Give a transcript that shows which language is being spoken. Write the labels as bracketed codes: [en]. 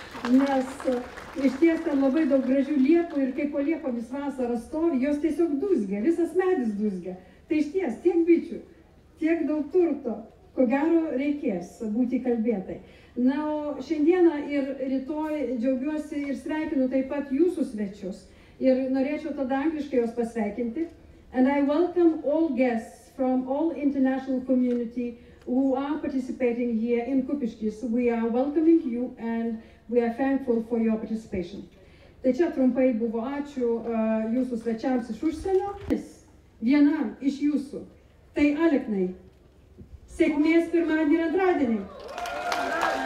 [lt] Nes iš ties ten labai daug gražių liepų ir kaip po liepomis vasarą stovi, jos tiesiog dūzgia, visas medis dūzgia. Tai iš ties, tiek bičių. Tiek daug turto, ko gero reikės būti kalbėtai. Na, o šiandieną ir rytoj džiaugiuosi ir sveikinu taip pat jūsų svečius. Ir norėčiau tada angliškai jos pasveikinti. [en] And I welcome all guests from all international community who are participating here in Kupiškis. We are welcoming you and we are thankful for your participation. [lt] Tai čia trumpai buvo ačiū jūsų svečiams iš užsienio. Vienam iš jūsų. Tai Aleknai, sėkmės pirmadienį ir antradienį.